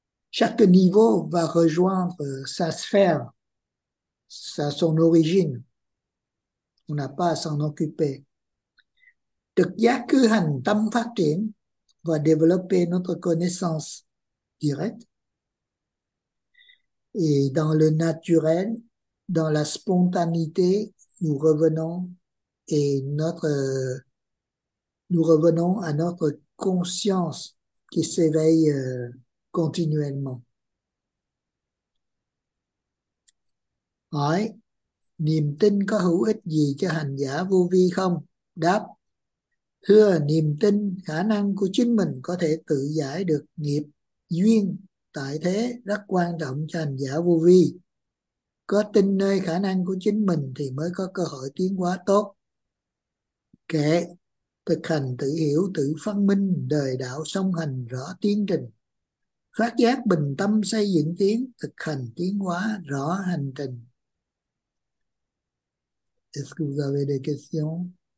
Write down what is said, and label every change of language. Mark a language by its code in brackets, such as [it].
[fr] Chaque niveau va rejoindre sa sphère, sa son origine. On n'a pas à s'en occuper. [vi] Thực giác cứ hành tâm phát triển [fr] va développer notre connaissance directe. Et dans le naturel, dans la spontanéité, nous revenons à notre conscience qui s'éveille continuellement. [vi] Hỏi, niềm tin có hữu ích gì cho hành giả vô vi không? Đáp, thưa, niềm tin, khả năng của chính mình có thể tự giải được nghiệp duyên tại thế rất quan trọng cho hành giả vô vi. Có tin nơi khả năng của chính mình thì mới có cơ hội tiến hóa tốt. Kệ, thực hành tự hiểu, tự phân minh, đời đạo song hành rõ tiến trình. Phát giác bình tâm xây dựng tiến, thực hành tiến hóa rõ hành trình. [fr] Est-ce que vous avez des questions?